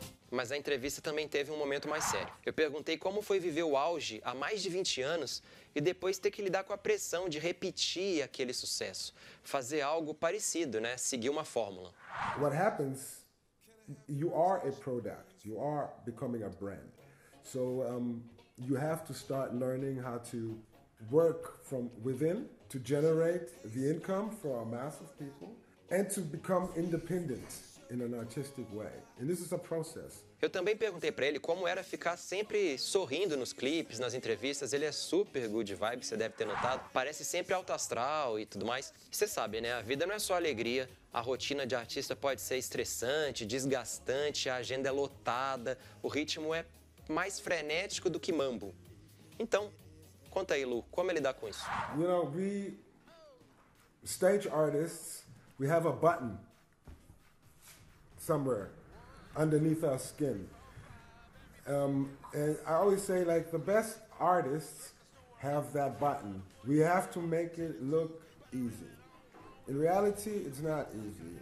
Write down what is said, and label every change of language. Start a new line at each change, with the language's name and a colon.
Portuguese: Mas a entrevista também teve um momento mais sério. Eu perguntei como foi viver o auge há mais de 20 anos e depois ter que lidar com a pressão de repetir aquele sucesso, fazer algo parecido, né? Seguir uma fórmula.
English: What happens? You are a product. You are becoming a brand. So you have to start learning how to work from within to generate the income for a mass of people and to become independent in an artistic way. And this is a process.
Portuguese: Eu também perguntei para ele como era ficar sempre sorrindo nos clipes, nas entrevistas. Ele é super good vibe, você deve ter notado. Parece sempre alto astral e tudo mais. Você sabe, né? A vida não é só alegria. A rotina de artista pode ser estressante, desgastante, a agenda é lotada, o ritmo é mais frenético do que mambo. Então, conta aí, Lu, como é lidar com isso?
English: You know, we stage artists, we have a button somewhere underneath our skin. And I always say, like, the best artists have that button. We have to make it look easy. In reality, it's not easy.